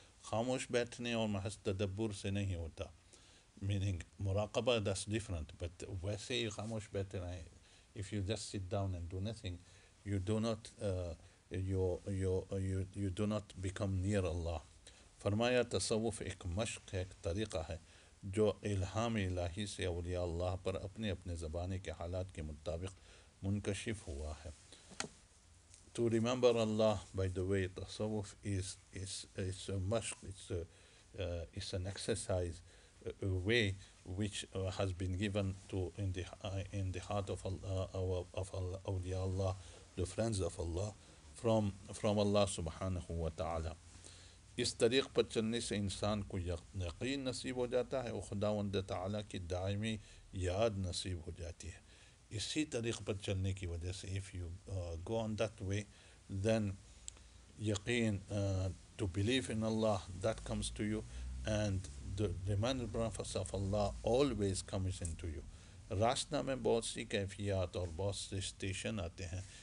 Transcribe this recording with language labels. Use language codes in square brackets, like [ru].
[ur] خاموش بیٹھنے اور محض تدبر سے نہیں ہوتا. [en] Meaning, مراقبہ, that's different. [ur] But ویسے ہی خاموش بیٹھنا ہے. [en] If you just sit down and do nothing, you do not become near Allah. [ur] فرمایا تصوف ایک مشق ہے, ایک طریقہ ہے, جو الہام الہی سے اولیاء اللہ پر اپنے زبانے کے حالات کے مطابق منکشف ہوا ہے. [en] To remember Allah, by the way, tasawwuf is a mashq, it's an exercise, a way which has been given to in the heart of Allah, of awliya Allah, the friends of Allah, from Allah subhanahu wa ta'ala. [ur] اس طریق پر چلنے سے انسان کو یقین نصیب ہو جاتا ہے اور خداوند تعالی کی دائمی یاد نصیب ہو جاتی ہے. اسی طریق پر چلنے کی وجہ سے, [en] if you go on that way, then yaqeen, to believe in Allah, that comes to you, and the remembrance of Allah always comes into you. [ur] راستہ میں بہت سی کیفیات اور بہت سی سٹیشن آتے ہیں.